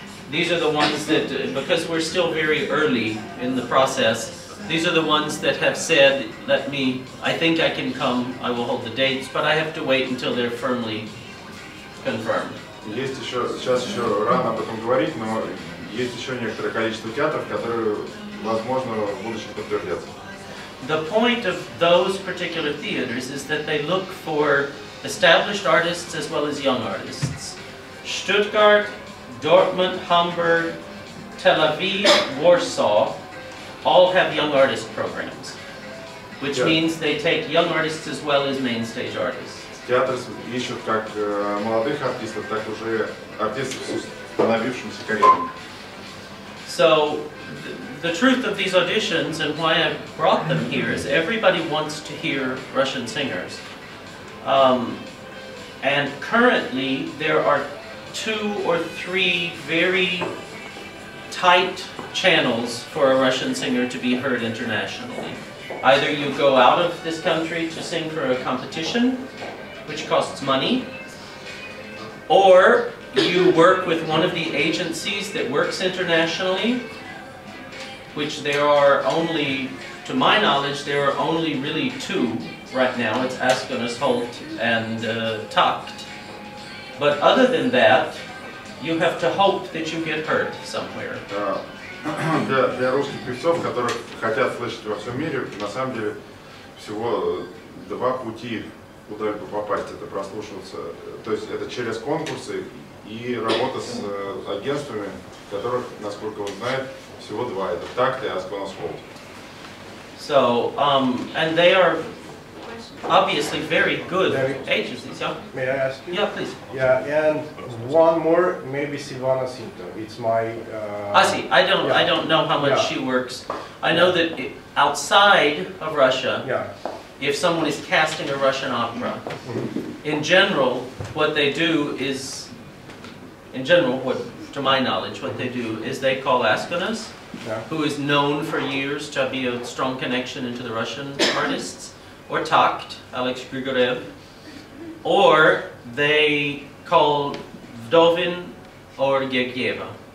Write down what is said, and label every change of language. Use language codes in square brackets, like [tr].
[en] These are the ones that, because we're still very early in the process, these are the ones that have said, let me, I think I can come, I will hold the dates, but I have to wait until they're firmly confirmed. [ru] Есть еще, сейчас еще рано об этом говорить, но есть еще некоторое количество театров, которые, возможно, в будущем подтвердятся. [en] The point of those particular theaters is that they look for established artists as well as young artists. Stuttgart, Dortmund, Hamburg, Tel Aviv, Warsaw, all have young artist programs, which means they take young artists as well as main stage artists. [ru] Театры ищут как молодых артистов, так уже артистов с установившимися карьерами. [en] So, the truth of these auditions and why I brought them here is everybody wants to hear Russian singers. And currently, there are 2 or 3 very tight channels for a Russian singer to be heard internationally. Either you go out of this country to sing for a competition, which costs money, or you work with one of the agencies that works internationally, which there are only To my knowledge, there are only really two right now. It's Askenas Holt and Takt. But other than that, you have to hope that you get heard somewhere. [ru] Для русских певцов, которых хотят слышать во всем мире, на самом деле всего два пути, куда бы попасть, это прослушиваться. То есть это через конкурсы и работа с агентствами, которых, насколько он знает, всего два. Это Takt и Askenas Holt. [en] So, and they are obviously very good agencies, yeah? May I ask you? Yeah, please. Yeah, and one more, maybe Silvana Sinto. It's my... I don't know how much she works. I know that outside of Russia, if someone is casting a Russian opera, in general, what they do is, in general, what to my knowledge, what they do is they call Askenas, who is known for years to be a strong connection into the Russian artists, or Takt, Alex Grigorev, or they call Vdovin or Gergieva.